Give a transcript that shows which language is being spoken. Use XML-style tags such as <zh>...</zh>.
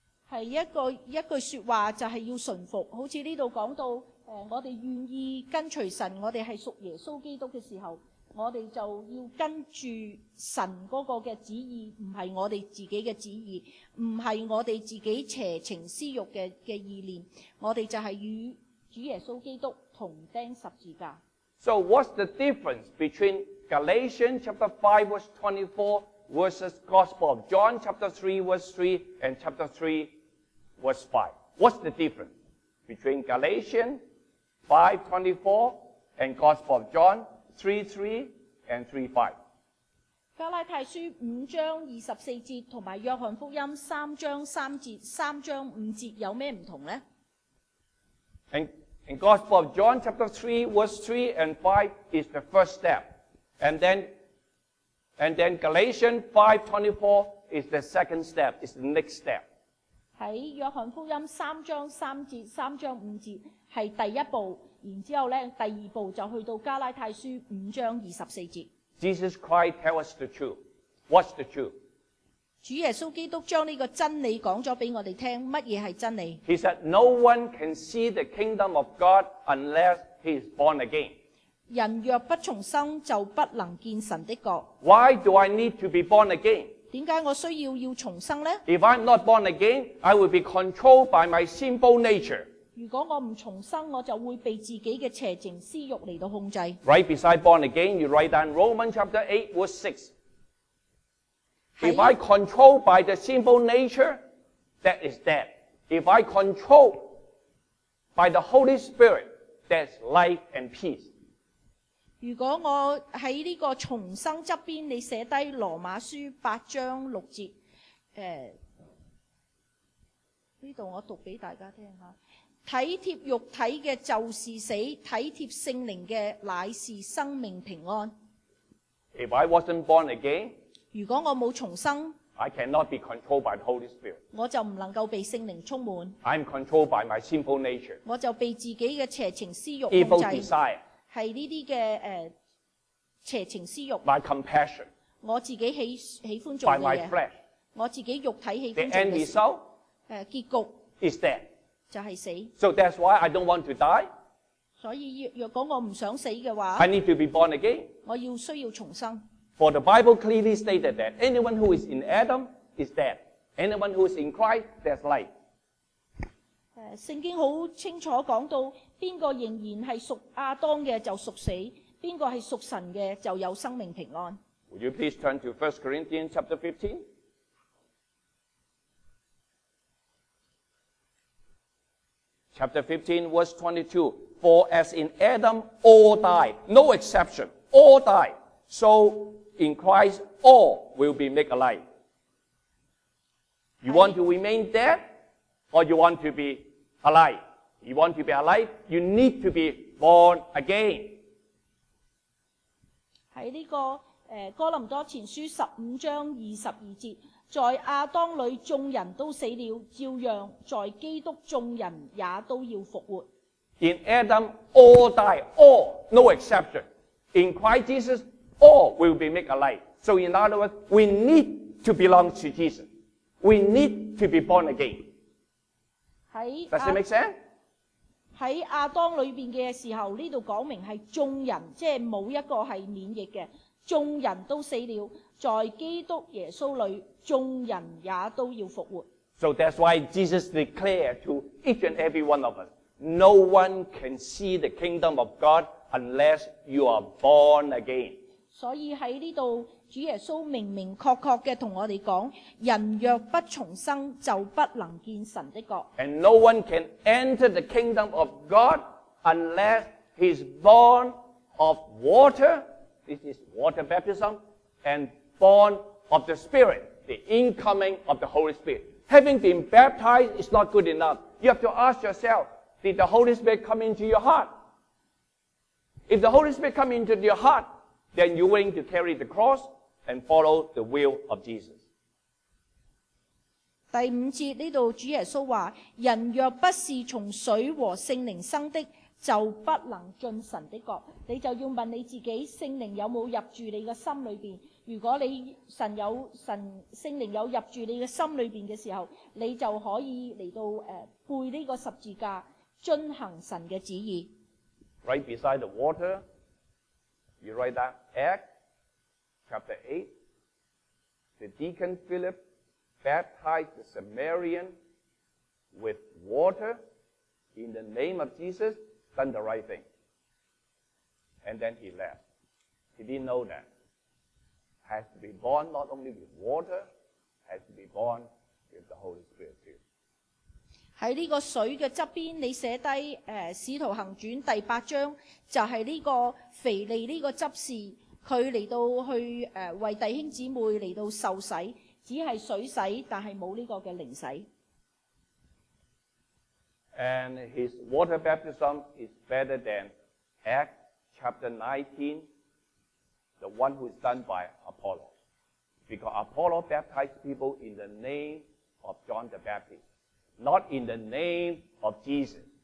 <zh>是一句说话就是要顺服，好像这里讲到我们愿意跟随神，我们是属耶稣基督的时候，我们就要跟住神那个的旨意，不是我们自己的旨意，不是我们自己邪情私欲 的意念，我们就是与主耶稣基督同钉十字架。</zh> <en>So what's the difference between Galatians chapter 5 verse 24 versus Gospel of John chapter 3 verse 3 and chapter 3 verse 5? What's the difference between Galatians 5:24 and Gospel of John 3:3 and 3:5?</en> <zh>加拉太书五章二十四节同埋约翰福音三章三节、三章五节有咩唔同咧？</zh> <en>And Gospel of John chapter 3 verse 3 and 5 is the first step, and then Galatians 5:24 is the second step. It's the next step.</en> <zh>在约翰福音三章三节、三章五节是第一步，然后呢第二步就去到加拉太书五章二十四节。</zh> <en>Jesus Christ tell us the truth. What's the truth?</en> <zh>主耶稣基督将这个真理讲了给我们听，什么是真理？</zh> <en>He said, no one can see the kingdom of God unless he is born again.</en> <zh>人若不重生就不能见神的国。</zh> <en>Why do I need to be born again?</en> <zh>为什么我需要重生呢？</zh> <en>If I'm not born again, I will be controlled by my sinful nature.</en> <zh>如果我不重生，我就会被自己的邪情私欲来到控制。</zh> <en>Right beside born again, you write down Romans chapter 8 verse 6. If I control by the sinful nature, that is death. If I control by the Holy Spirit, that's life and peace.</en> <zh>如果我在这个重生旁边，你写低罗马书八章六节，这里我读给大家听下。体贴肉体的就是死，体贴圣灵的乃是生命平安。</zh> <en>If I wasn't born again,</en> <zh>如果我没有重生，</zh> <en>I cannot be controlled by the Holy Spirit.</en> <zh>我就不能够被圣灵充满。</zh> <en>I'm controlled by my sinful nature.</en> <zh>我就被自己的邪情私欲控制。</zh> <en>Evil desire.</en> <zh>是这些的邪情私欲，</zh> <en>my compassion,</en> <zh>我自己 喜欢做的事，</zh> <en>by my flesh,</en> <zh>我自己肉体喜欢做的事，</zh> <en>the end result,</en> <zh>结局</zh> <en>is dead,</en> <zh>就是死。</zh> <en>So that's why I don't want to die.</en> <zh>所以若果我不想死的话，</zh> <en>I need to be born again.</en> <zh>我要需要重生。</zh> <en>For the Bible clearly stated that anyone who is in Adam is dead. Anyone who is in Christ, there's life.</en> <zh>圣经很清楚讲到，边个仍然是属亚当的就属死，边个是属神的就有生命平安。</zh> <en>Would you please turn to 1 Corinthians chapter 15? 15:22. For as in Adam all die, no exception, all die, so in Christ all will be made alive. You want to remain dead, or you want to be? Alive. You want to be alive, you need to be born again.</en> <zh>在这个哥林多前书十五章二十二节，在亚当里众人都死了，照样在基督众人也都要复活。</zh> <en>In Adam, all die, all, no exception. In Christ Jesus, all will be made alive. So in other words, we need to belong to Jesus. We need to be born again. Does it make sense?</en> <zh>在亚当里面的时候，这里讲明是众人，即是没有一个是免疫的，众人都死了，在基督耶稣里众人也都要复活。</zh> <en>So that's why Jesus declared to each and every one of us, no one can see the kingdom of God unless you are born again.</en> <zh>所以在这里主耶稣明明确确地跟我们说，人若不重生就不能见神的国。</zh> <en>And no one can enter the kingdom of God unless he is born of water, this is water baptism, and born of the Spirit, the incoming of the Holy Spirit. Having been baptized is not good enough. You have to ask yourself, did the Holy Spirit come into your heart? If the Holy Spirit come into your heart, then you're willing to carry the cross and follow the will of Jesus.</en> <zh>第五节呢度主耶稣话：人若不是从水和圣灵生的，就不能进神的国。你就要问你自己，圣灵有冇入住你嘅心里边？如果你神有神圣灵有入住你嘅心里边嘅时候，你就可以嚟到背呢个十字架，遵行神嘅旨意。</zh> <en>Right beside the water, you write that Acts chapter 8. The deacon Philip. Baptized the Samaritan with water in the name of Jesus, done the right thing. And then he left. He didn't know that. Has to be born not only with water, has to be born with the Holy Spirit too.</en> <zh>在这个水的旁边你写低使徒行传第八章就是这个腓利这个执事他来到去为弟兄姊妹来到受洗只是水洗但是没有这个的灵洗。</zh> <en>And his water baptism is better than Acts chapter 19, the one who is done by Apollo. Because Apollo baptized people in the name of John the Baptist, not in the name of Jesus.</en>